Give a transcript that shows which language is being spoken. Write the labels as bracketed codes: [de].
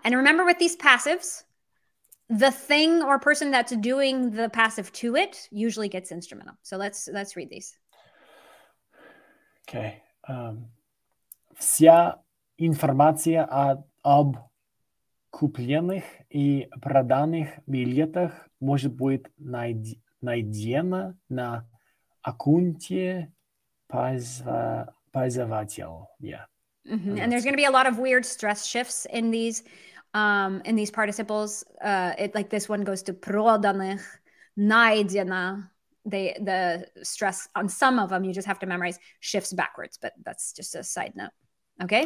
[en] And remember with these passives, the thing or person that's doing the passive to it usually gets instrumental. So let's read these. Okay. [ru] Вся информация об купленных и проданных билетах может быть найдена на аккаунте пользователя. [en] And there's going to be a lot of weird stress shifts in these. In these participles, it like this one goes to проданных, найдена. The stress on some of them, you just have to memorize, shifts backwards. But that's just a side note. Okay.